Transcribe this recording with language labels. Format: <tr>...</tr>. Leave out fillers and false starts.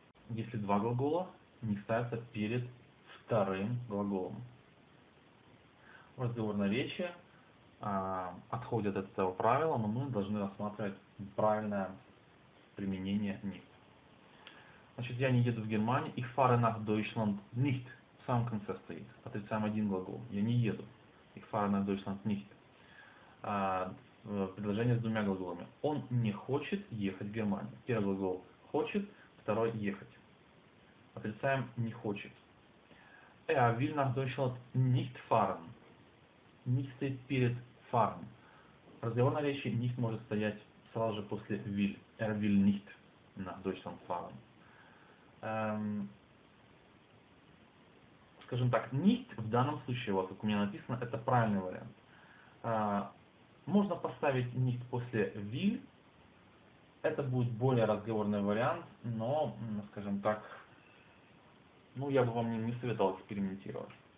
<ru>Если два глагола, nicht ставится перед вторым глаголом. В разговорной речи отходят от этого правила, но мы должны рассматривать правильное применение nicht. Значит, я не еду в Германию,</ru> <de>ich fahre nach Deutschland nicht.</de> <ru>В самом конце стоит. Отрицаем один глагол. Я не еду.</ru> <de>Ich fahre nach Deutschland nicht.</de> <ru>Предложение с двумя глаголами. Он не хочет ехать в Германию. Первый глагол хочет, второй ехать. Отрицаем не хочет.</ru> <de>Er will nach Deutschland nicht fahren.</de> <ru>Nicht стоит перед fahren. В разговорной речи nicht может стоять сразу же после will.</ru> <de>Er will nicht nach Deutschland fahren.</de> <ru>Скажем так, nicht в данном случае, вот как у меня написано, это правильный вариант. Можно поставить nicht после will. Это будет более разговорный вариант, но, скажем так, ну, я бы вам не советовал экспериментировать.</ru>